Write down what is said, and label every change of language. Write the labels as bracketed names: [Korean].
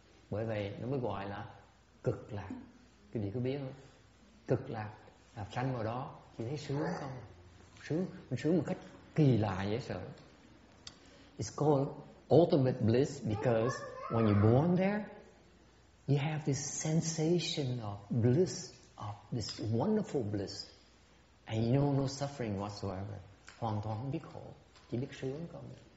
[Vietnamese] Bởi vậy nó mới gọi là cực lạc. Quý vị có biết không? Cực lạc là sanh vào đó chỉ thấy sướng không? Sướng, sướng một cách kỳ lạ dễ sợ. [English] It's called ultimate bliss because when you're born there, you have this sensation of bliss, of this wonderful bliss, and you know no suffering whatsoever. [Vietnamese] Hoàn toàn không biết khổ, chỉ biết sướng không?